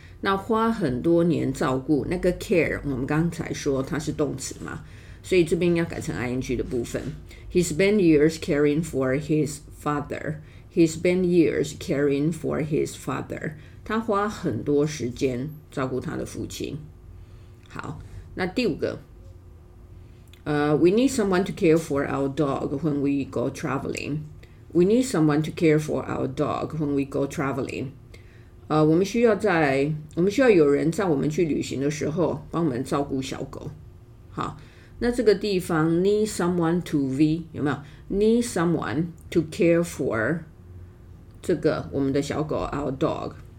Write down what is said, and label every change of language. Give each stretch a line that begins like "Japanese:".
Chinese: 那花很多年照顾那个 care， 我们刚才说它是动词嘛，所以这边要改成 ing 的部分。
English: He spent years caring for his father. He spent years caring for his father.
Chinese: 他花很多时间照顾他的父亲。好，那第五个
English: we need someone to care for our dog when we go traveling. We need someone to care for our dog when we go traveling.
Chinese: 我们需要有人在我们去旅行的时候帮我们照顾小狗。好，那这个地方 need someone to V 有没有
English: need someone to care for
Chinese: 这个我们的小狗
English: our dog.